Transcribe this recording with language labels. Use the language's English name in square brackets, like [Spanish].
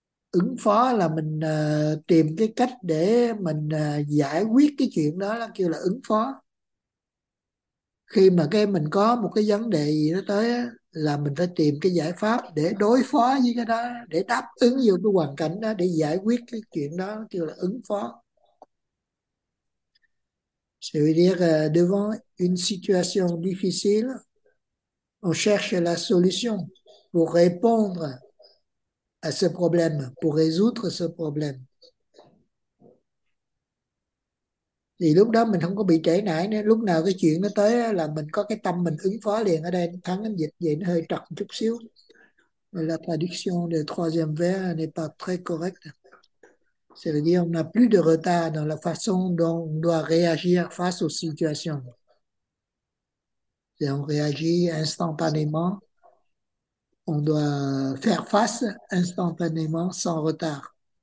[Vietnamese] Ứng phó là mình tìm cái cách để mình giải quyết cái chuyện đó, là kêu là ứng phó. Khi mà cái mình có một cái vấn đề gì nó tới á, là mình phải tìm cái giải pháp để đối phó với cái đó, để đáp ứng vô cái hoàn cảnh đó, để giải quyết cái chuyện đó, kêu là ứng phó. [French] C'est-à-dire, devant une situation difficile, on cherche la solution pour répondre à ce problème, pour résoudre ce problème. [Vietnamese] Thì lúc đó mình không có bị trễ nải nữa, lúc nào cái chuyện nó tới là mình có cái tâm mình ứng phó liền. Ở đây Thắng anh dịch vậy nó hơi trật chút xíu. [French] La traduction du troisième vers n'est pas très correcte. C'est-à-dire, on n'a plus de retard dans la façon dont on doit réagir face aux situations. Et on réagit instantanément. On doit faire face instantanément, sans retard.